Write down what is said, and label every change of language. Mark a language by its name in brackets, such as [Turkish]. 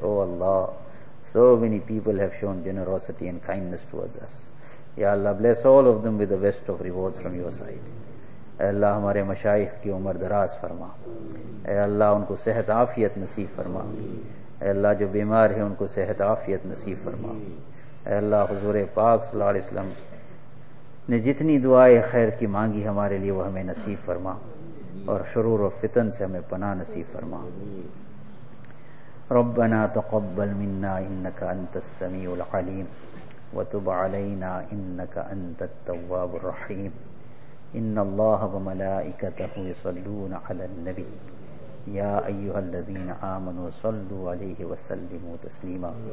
[English] Oh Allah, so many people have shown generosity and kindness towards us. یا اللہ، bless all of them with the best of rewards from your side. [Urdu] اے اللہ، ہمارے مشایخ کی عمر دراز فرما. اے اللہ، ان کو صحت عافیت نصیب فرما. اے اللہ، جو بیمار ہیں ان کو صحت عافیت نصیب فرما. اے اللہ، حضور پاک صلی اللہ علیہ وسلم نے جتنی دعائیں خیر کی مانگی ہمارے لیے، وہ ہمیں نصیب فرما، اور شرور و فتن سے ہمیں پناہ نصیب فرما. [Arabic] ربنا تقبل منا انك انت السميع العليم، وتب علينا انك انت التواب الرحيم. ان الله وملائكته يصلون على النبي، يا أيها الذين آمنوا صلوا عليه وسلموا تسليما.